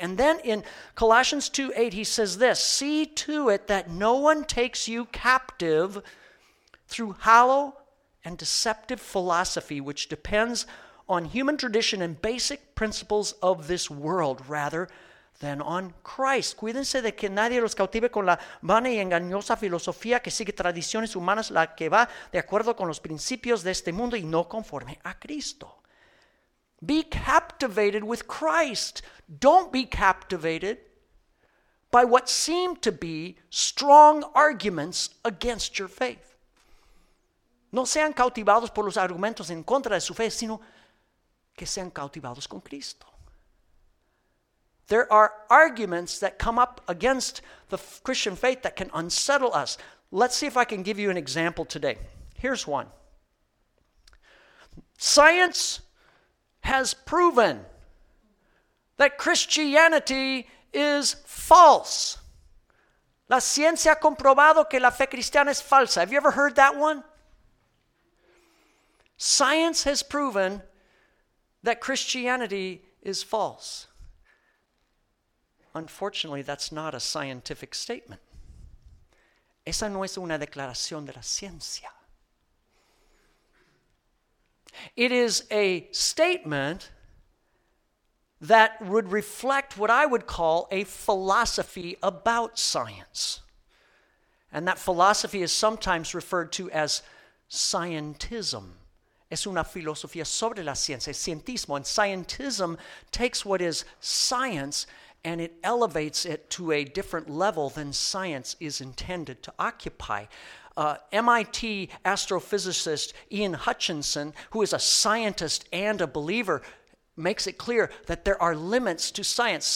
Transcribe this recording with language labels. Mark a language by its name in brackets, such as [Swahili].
[English] And then in Colossians 2:8, he says this, see to it that no one takes you captive through hollow and deceptive philosophy, which depends on human tradition and basic principles of this world, rather than on Christ. [Spanish] Cuídense de que nadie los cautive con la vana y engañosa filosofía que sigue tradiciones humanas, la que va de acuerdo con los principios de este mundo y no conforme a Cristo. [English] Be captivated with Christ. Don't be captivated by what seem to be strong arguments against your faith. [Spanish] No sean cautivados por los argumentos en contra de su fe, sino que sean cautivados con Cristo. [English] There are arguments that come up against the Christian faith that can unsettle us. Let's see if I can give you an example today. Here's one. Science has proven that Christianity is false. [Spanish] La ciencia ha comprobado que la fe cristiana es falsa. [English] Have you ever heard that one? Science has proven that Christianity is false. Unfortunately, that's not a scientific statement. [Spanish] Esa no es una declaración de la ciencia. [English] It is a statement that would reflect what I would call a philosophy about science. And that philosophy is sometimes referred to as scientism. [Spanish] Es una filosofía sobre la ciencia, es cientismo. [English] And scientism takes what is science and it elevates it to a different level than science is intended to occupy. MIT astrophysicist Ian Hutchinson, who is a scientist and a believer, makes it clear that there are limits to science.